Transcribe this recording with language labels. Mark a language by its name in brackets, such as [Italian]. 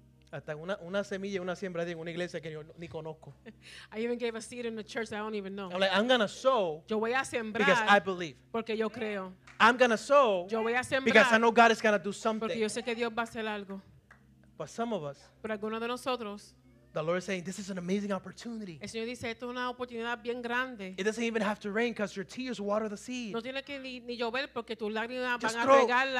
[Spanish] Hasta una semilla, una siembra en una iglesia que yo ni conozco. [English] I even gave a seed in a church that I don't even know. I'm like, I'm gonna sow. [Spanish] Yo voy a sembrar. [English] Because I believe. [Spanish] Porque yo creo. [English] I'm gonna sow. [Spanish] Yo voy a sembrar. [English] Because I know God is gonna do something. [Spanish] Porque yo sé que Dios va a hacer algo. [English] But some of us. [Spanish] Pero algunos de nosotros. [English] The Lord is saying, this is an amazing opportunity. [Spanish] El Señor dice, esto es una oportunidad bien grande. [English] It doesn't even have to rain because your tears water the seed. [Spanish] No tiene que ni llover porque tus lágrimas van a regar la